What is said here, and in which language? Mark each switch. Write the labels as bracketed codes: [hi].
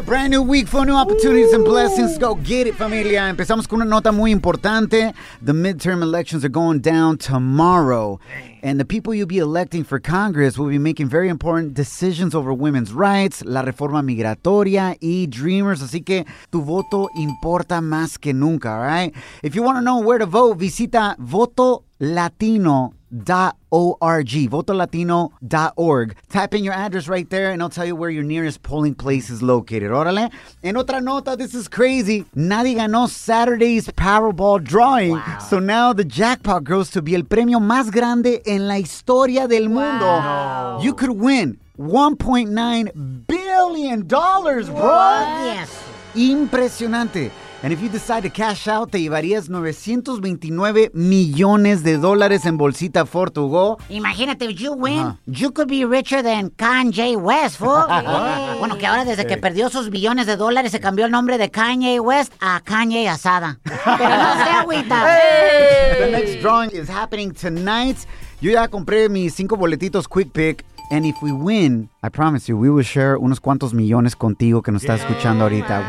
[en] Brand new week for new opportunities and blessings. Go get it, familia. [es] Empezamos con una nota muy importante. [en] The midterm elections are going down tomorrow. And the people you'll be electing for Congress will be making very important decisions over women's rights, [es] la reforma migratoria, y [en] Dreamers. [es] Así que tu voto importa más que nunca, [en] all right? If you want to know where to vote, visita votolatino.org, votolatino.org. Type in your address right there, and I'll tell you where your nearest polling place is located. [es] Órale. En otra nota, [en] this is crazy. [es] Nadie ganó [en] Saturday's Powerball drawing. Wow. So now the jackpot grows to be [es] el premio más grande en la historia del mundo. [en] Wow. You could win $1.9 billion, bro. Yes. [es] Impresionante. [en] And if you decide to cash out, [es] te llevarías 929 millones de dólares en bolsita [en] for to go. [es] Imagínate, [en] if you win, you could be richer than Kanye West, fool. Hey. [es] Bueno, que ahora desde que perdió sus billones de dólares, se cambió el nombre de Kanye West a Kanye Asada. Pero no se agüita. [en] Hey. The next drawing is happening tonight. [es] Yo ya compré mis 5 boletitos Quick Pick. [en] And if we win, I promise you, we will share [es] unos cuantos millones contigo que nos está escuchando ahorita.